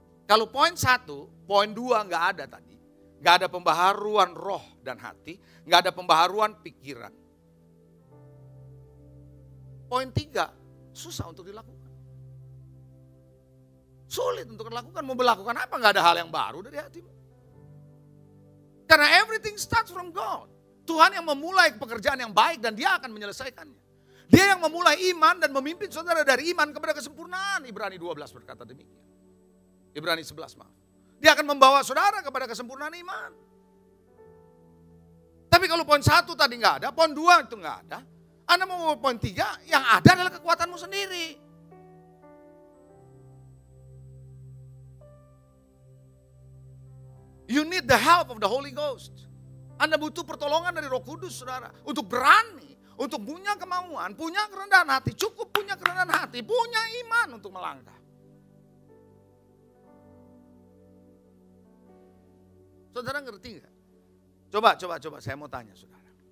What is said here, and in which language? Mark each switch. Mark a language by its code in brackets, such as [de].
[id] Kalau poin 1, poin 2 gak ada tadi. Gak ada pembaharuan roh dan hati, gak ada pembaharuan pikiran. Poin 3, susah untuk dilakukan. Sulit untuk dilakukan. Mau melakukan apa? Gak ada hal yang baru dari hatimu. Karena [en] everything starts from God. [id] Tuhan yang memulai pekerjaan yang baik dan dia akan menyelesaikannya. Dia yang memulai iman dan memimpin saudara dari iman kepada kesempurnaan. Ibrani 12 berkata demikian. Ibrani 11 maaf. Dia akan membawa saudara kepada kesempurnaan iman. Tapi kalau poin 1 tadi gak ada, poin 2 itu gak ada. Anda mau poin 3, yang ada adalah kekuatanmu sendiri. [en] You need the help of the Holy Ghost. [id] Anda butuh pertolongan dari Roh Kudus, saudara. Untuk berani, untuk punya kemauan, punya kerendahan hati. Cukup punya kerendahan hati, punya iman untuk melangkah. Saudara ngerti gak? Coba, saya mau tanya, saudara.